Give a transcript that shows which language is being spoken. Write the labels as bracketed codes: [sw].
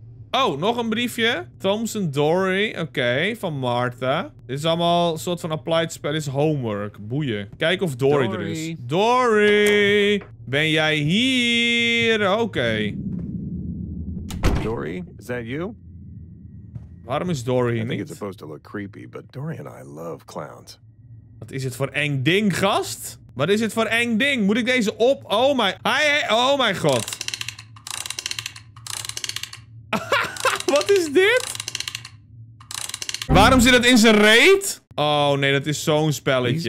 [nl] Oh, nog een briefje. Thompson Dory. Oké, van Martha. Dit is allemaal een soort van applied spell. Dit is homework. Boeien. Kijk of Dory er is. Dory! Ben jij hier? Oké. Dory, is dat you? Waarom is Dory hier niet? [en] I think it's supposed to look creepy, but Dory and I love clowns. [nl] Wat is het voor eng ding, gast? Wat is het voor eng ding? Moet ik deze op... Oh my... Oh my god. Wat is dit? Waarom zit het in zijn reet? Oh nee, dat is zo'n spelletje.